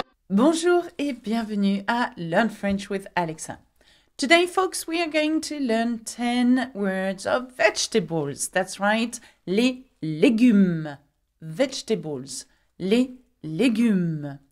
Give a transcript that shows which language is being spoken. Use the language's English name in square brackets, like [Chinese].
[French] Bonjour et bienvenue à Learn French with Alexa. [English] Today, folks, we are going to learn 10 words of vegetables. That's right, [French] les légumes. Vegetables, les légumes.